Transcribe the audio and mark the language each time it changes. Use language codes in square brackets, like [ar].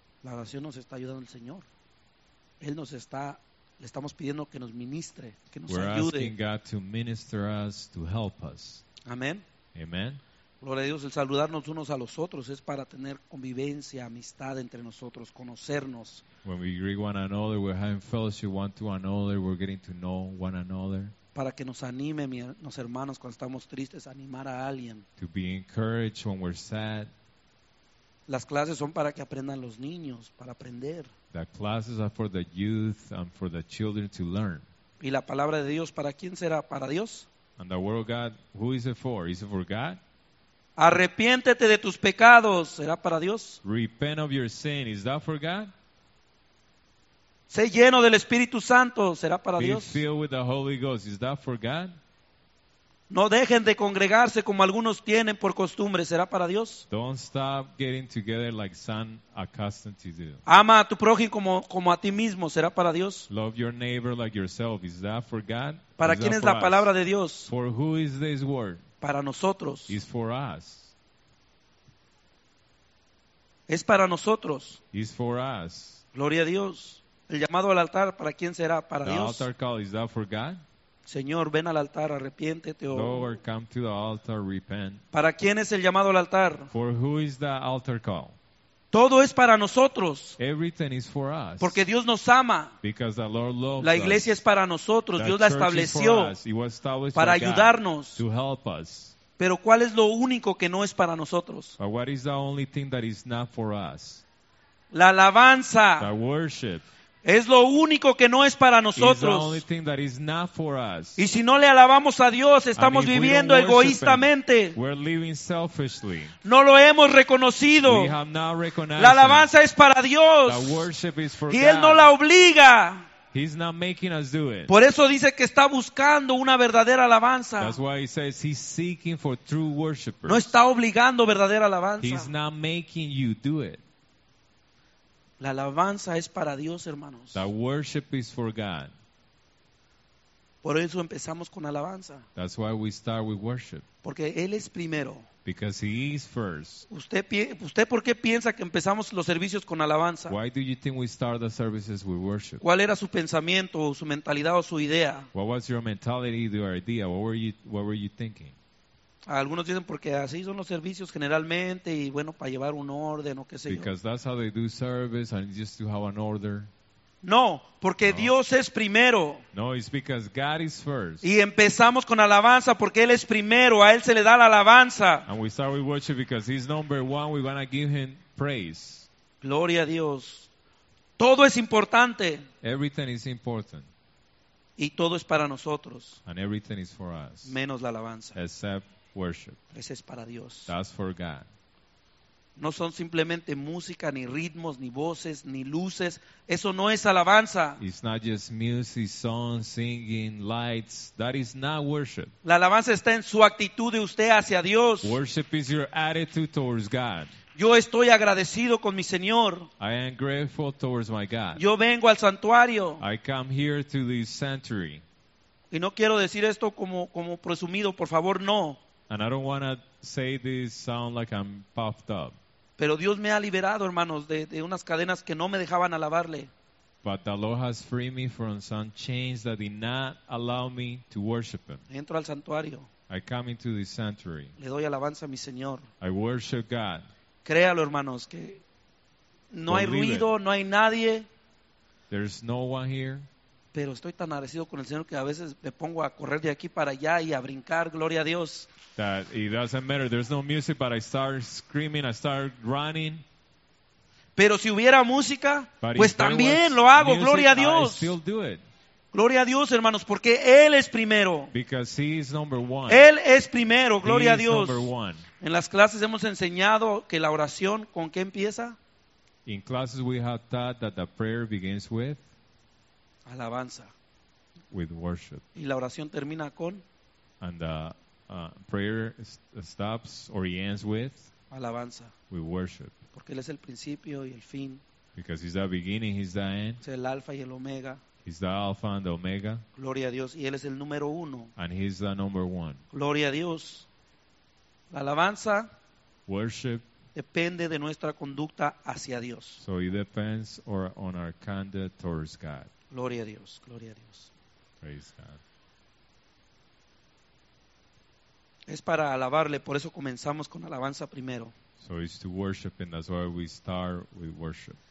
[es] La oración nos está ayudando el Señor. Él nos está, le estamos pidiendo que nos ministre, que nos [en] We're [es] ayude. [en] We're asking God to minister us, to help us. [es] Amén. [en] Amen. [es] Gloria a Dios, el saludarnos unos a los otros es para tener convivencia, amistad entre nosotros, conocernos. [en] When we greet one another, we're having fellowship one to another, we're getting to know one another. [es] Para que nos anime, mis hermanos, cuando estamos tristes, animar a alguien. [en] To be encouraged when we're sad. [es] Las clases son para que aprendan los niños, para aprender. [en] The classes are for the youth and for the children to learn. [es] Y la palabra de Dios, ¿para quién será? ¿Para Dios? [en] And the word of God, who is it for? Is it for God? [es] Arrepiéntete de tus pecados, ¿será para Dios? [en] Repent of your sin, is that for God? [es] Sé lleno del Espíritu Santo, ¿será para Dios? [en] Be filled with the Holy Ghost, is that for God? [es] No dejen de congregarse como algunos tienen por costumbre, ¿será para Dios? [en] Don't stop getting together like some accustomed to do. [es] Ama a tu prójimo como a ti mismo, ¿será para Dios? [en] Love your neighbor like yourself, is that for God? [es] ¿Para quién es la palabra de Dios? [en] For who is this word? [es] Para nosotros. [en] Is for us. [es] Es para nosotros. [en] Is for us. [es] Gloria a Dios. El llamado al altar, ¿para quién será? Para [en] the [es] Dios. [en] Altar call, is that for God? [es] Señor, ven al altar, arrepiéntete. [en] Lord, come to the altar, repent. [es] ¿Para quién es el llamado al altar? [en] For who is the altar call? [es] Todo es para nosotros. [en] Everything is for us. [es] Porque Dios nos ama. [en] Because the Lord loves [es] la iglesia [en] us. [es] Es para nosotros. [en] The [es] Dios la estableció para ayudarnos. [en] To help us. [es] Pero ¿cuál es lo único que no es para nosotros? [en] But what is the only thing that is not for us? [es] La alabanza. [en] The worship. [es] Es lo único que no es para nosotros. [en] The only thing that is not for us. [es] Y si no le alabamos a Dios, estamos viviendo egoístamente. [en] Him, we're living selfishly. [es] No lo hemos reconocido. [en] We have not recognized [es] la alabanza es para Dios. [en] The worship is for [es] y Él [en] God. [es] No la obliga. [en] He's not making us do it. [es] Por eso dice que está buscando una verdadera alabanza. [en] That's why he says he's seeking for true worshipers. [es] No está obligando verdadera alabanza. [en] He's not making you do it. [es] La alabanza es para Dios, hermanos. [en] The worship is for God. [es] Por eso empezamos con alabanza. [en] That's why we start with worship. [es] Porque Él es primero. [en] Because He is first. [es] ¿Usted por qué piensa que empezamos los servicios con alabanza? [en] Why do you think we start the services with worship? [es] ¿Cuál era su pensamiento, o su mentalidad, o su idea? [en] What was your mentality, your idea? What were you thinking? [es] Algunos dicen porque así son los servicios generalmente y bueno, para llevar un orden o qué sé yo. [en] Because that's how they do service and just to have an order. [es] No, porque no. Dios es primero. [en] No, it's because God is first. [es] Y empezamos con alabanza porque Él es primero, a Él se le da la alabanza. [en] And we start with worship because He's number one, we're going to give Him praise. [es] Gloria a Dios. Todo es importante. [en] Everything is important. [es] Y todo es para nosotros. [en] And everything is for us. [es] Menos la alabanza. [en] Except worship. [es] Ese es para Dios. [en] That's for God. [es] No son simplemente música, ni ritmos, ni voces, ni luces. Eso no es alabanza. [en] It's not just music, songs, singing, lights. That is not worship. [es] La alabanza está en su actitud de usted hacia Dios. [en] Worship is your attitude towards God. [es] Yo estoy agradecido con mi Señor. [en] I am grateful towards my God. [es] Yo vengo al santuario. [en] I come here to this sanctuary. [es] Y no quiero decir esto como presumido, por favor, no. [en] And I don't want to say this sound like I'm puffed up. [es] Pero Dios me ha liberado, hermanos, de unas cadenas que no me dejaban alabarle. [en] But the Lord has freed me from some chains that did not allow me to worship Him. [es] Entro al santuario. [en] I come into the sanctuary. [es] Le doy alabanza a mi Señor. [en] I worship God. [es] Créalo, hermanos, que no hay ruido, no hay nadie. [en] There's no one here. [es] Pero estoy tan agradecido con el Señor que a veces me pongo a correr de aquí para allá y a brincar, gloria a Dios. [en] That it doesn't matter. There's no music, but I start screaming, I start running. [es] Pero si hubiera música, [en] but [es] pues también lo hago, [en] music, [es] gloria a Dios. [en] I still do it. [es] Gloria a Dios, hermanos, porque Él es primero. [en] Because He is number one. [es] Él es primero, gloria [en] He is [es] a Dios. [en] Number one. [es] En las clases hemos enseñado que la oración, ¿con qué empieza? [en] In classes we have taught that the prayer begins with [es] alabanza, [en] with worship. [es] Y la oración termina con, [en] and the prayer stops or ends with [es] alabanza, [en] with worship. [es] Porque él es el principio y el fin. [en] Because he's the beginning, he's the end. [es] Es el alfa y el omega. [en] He's the alpha and the omega. [es] Gloria a Dios, y él es el número uno. [en] And he's the number one. [es] Gloria a Dios. La alabanza, [en] worship, [es] depende de nuestra conducta hacia Dios. [en] So it depends on our conduct towards God. [es] Gloria a Dios, gloria a Dios. [en] Praise God. [es] Es para alabarle, por eso comenzamos con alabanza primero. [en] So it's to worship, and that's why we start with worship.